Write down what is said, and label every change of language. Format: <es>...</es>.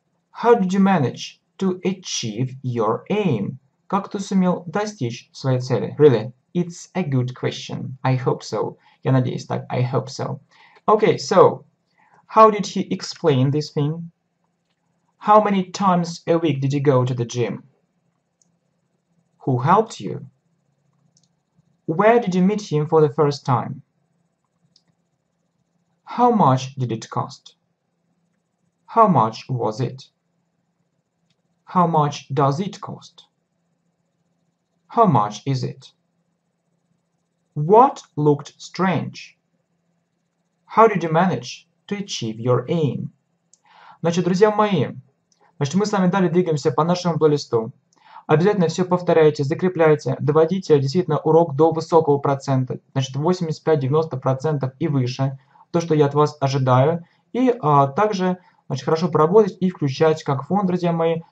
<en>How did you manage to achieve your aim?</en> <ru>Как ты сумел достичь своей цели?</ru> <en>Really? It's a good question. I hope so.</en> <ru>Я надеюсь так.</ru> <en>I hope so. Okay, so, how did he explain this thing? How many times a week did you go to the gym? Who helped you? Where did you meet him for the first time? How much did it cost? How much was it? How much does it cost? How much is it? What looked strange? How did you manage to achieve your aim?</en> <ru>Значит, друзья мои, значит, мы с вами далее двигаемся по нашему плейлисту. Обязательно все повторяйте, закрепляйте, доводите действительно урок до высокого процента, значит, 85-90% и выше, то, что я от вас ожидаю. И также, значит, хорошо поработать и включать как фон, друзья мои.</ru>